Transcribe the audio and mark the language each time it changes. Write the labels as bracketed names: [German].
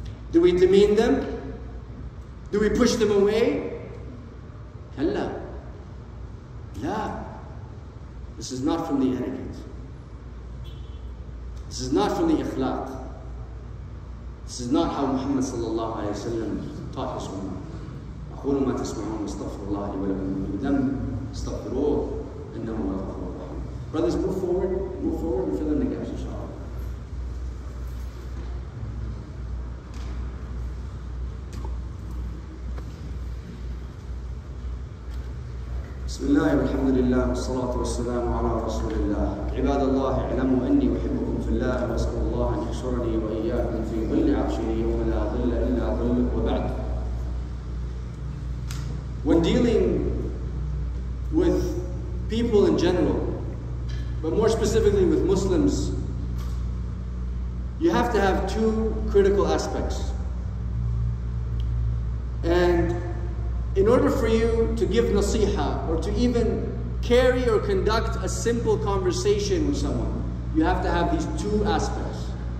[English] Do we demean them? Do we push them away? [Arabic] Kalla. La. [English] This is not from the etiquette. This is not from the ikhlaq. This is not how Muhammad sallallahu alayhi wa sallam taught his ummah. [Arabic] أقول ما تسمعون استغفر الله لي ولكم من دم استغفروه إنه هو الغفور الرحيم. [English] Brothers, move forward and fill in the gaps, inshallah. [Arabic] بسم الله والحمد لله والصلاة والسلام على رسول الله. عباد الله اعلموا أني أحبكم في الله وأسأل الله أن يحشرني وإياكم في ظل عرشه يوم لا ظل إلا ظله وبعد. [English] When dealing with people in general, but more specifically with Muslims, you have to have two critical aspects. And in order for you to give nasiha or to even carry or conduct a simple conversation with someone, you have to have these two aspects.